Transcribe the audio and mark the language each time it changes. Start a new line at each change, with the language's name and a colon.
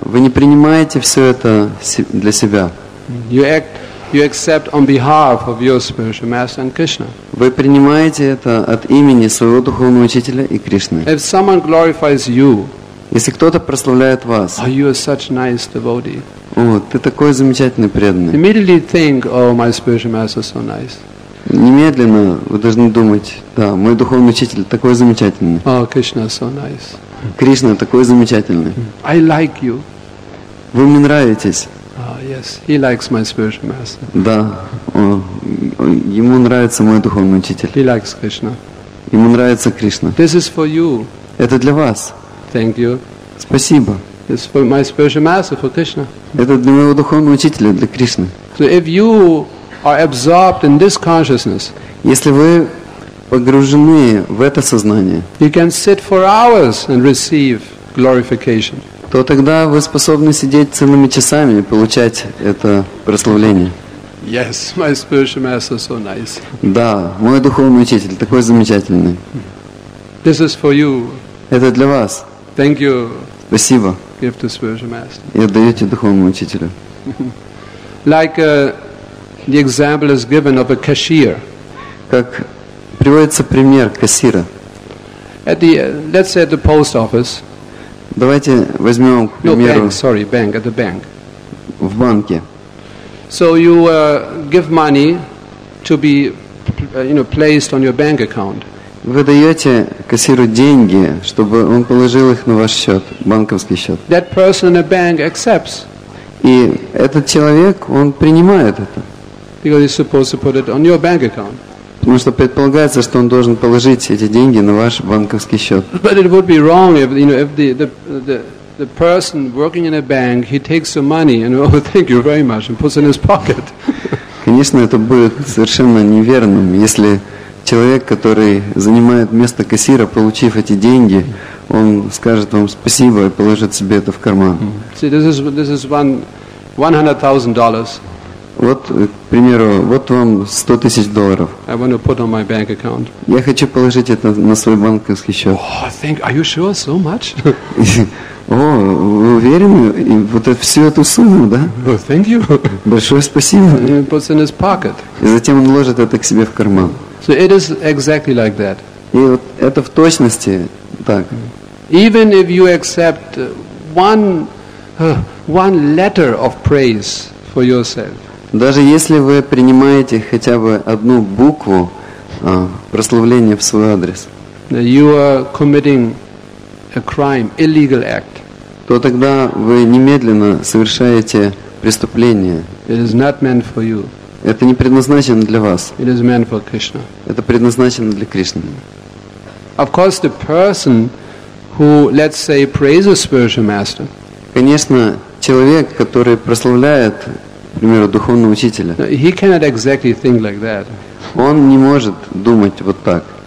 Russian: Вы не принимаете все это для себя.
English: You accept on behalf of your spiritual master and Krishna.
Russian: Вы принимаете это от имени своего духовного учителя и Кришны.
English: If someone glorifies you,
Russian: если кто-то прославляет вас,
English: oh, you are such nice devotee.
Russian: О, ты такой замечательный преданный.
English: Immediately think, oh, my spiritual master is so nice.
Russian: Немедленно вы должны думать, да, мой духовный учитель такой замечательный.
English: Oh, Krishna is so nice.
Russian: Кришна такой замечательный.
English: I like you.
Russian: Вы мне нравитесь.
English: Yes, he likes my spiritual master.
Russian: Да, ему нравится мой духовный учитель.
English: He likes Krishna.
Russian: Ему нравится Кришна.
English: This is for you.
Russian: Это для вас.
English: Thank you.
Russian: Спасибо.
English: This is for my spiritual master, for Krishna.
Russian: Это для моего духовного учителя, для Кришны.
English: So if you are absorbed in this consciousness,
Russian: если вы погружены в это сознание,
English: you can sit for hours and receive glorification.
Russian: То тогда вы способны сидеть целыми часами и получать это прославление.
English: Yes, my spiritual master is so nice.
Russian: Да, мой духовный учитель такой замечательный.
English: This is for you.
Russian: Это для вас.
English: Thank you.
Russian: Спасибо.
English: Give to spiritual master.
Russian: И отдаете духовному учителю.
English: Like the example is given of a cashier.
Russian: Как приводится пример кассира.
English: At the, let's say at the post office.
Russian: Давайте возьмем, к примеру,
English: bank.
Russian: В банке.
English: So you give money to be, you know, placed on your bank account.
Russian: Вы даете кассиру деньги, чтобы он положил их на ваш счет, банковский счет.
English: That person in the bank accepts.
Russian: И этот человек, он принимает это.
English: Because he's supposed to put it on your bank account.
Russian: Потому что предполагается, что он должен положить эти деньги на ваш банковский счет.
English: But it would be wrong if, you know, if the person working in a bank, he takes the money and oh, thank you very much and puts it in his pocket.
Russian: Конечно, это будет совершенно неверным, если человек, который занимает место кассира, получив эти деньги, он скажет вам спасибо и положит себе это в карман.
English: See, this is $100,000.
Russian: Вот, к примеру, вот вам 100 тысяч долларов.
English: I want to put on my bank account.
Russian: Я хочу положить это на свой банковский счет.
English: Oh, thank you. Are you sure so much?
Russian: О, вы уверены? И вот это, всю эту сумму, да?
English: Oh, thank you.
Russian: Большое спасибо.
English: And he puts in his pocket.
Russian: И затем он ложит это к себе в карман.
English: So it is exactly like that.
Russian: И вот это в точности так.
English: Even if you accept one letter of praise for yourself.
Russian: Даже если вы принимаете хотя бы одну букву прославления в свой адрес,
English: you are committing a crime, illegal act.
Russian: То тогда вы немедленно совершаете преступление.
English: It is not meant for you.
Russian: Это не предназначено для вас.
English: It is meant for Krishna.
Russian: Это предназначено для Кришны.
English: Of course, the person who, let's say, praises spiritual master.
Russian: Конечно, человек, который прославляет, к примеру, духовного учителя.
English: He cannot exactly think like that.
Russian: Он не может думать вот так.